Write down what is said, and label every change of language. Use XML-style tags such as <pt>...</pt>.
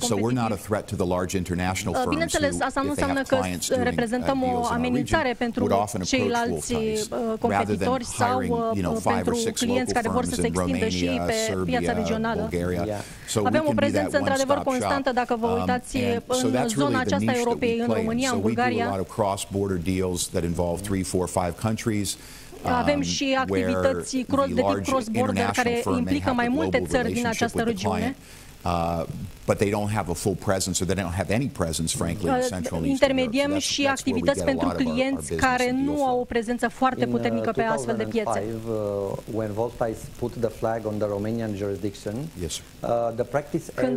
<en>So we're not a threat to the large international firms who, if they have clients doing deals in our region, would often approach Wolf Tice, rather than hiring, you know, five or six local firms in Romania, Serbia, Bulgaria. So we can do that one-stop shop. So that's really the niche that we play in. So we do a lot of cross-border deals that involve 3, 4, 5 countries.</en> <ro>Avem și activități cross-border care implică mai multe țări din această regiune.</ro> <en>But they don't have a full presence, or they don't have any presence, frankly, in Central East Europe. So that's where we get a lot of our business</en> <ro>care nu au o prezență foarte puternică pe astfel de piețe.</ro> <en>In 2005, when Wolf Tice put the flag on the Romanian jurisdiction, the practice area,</en>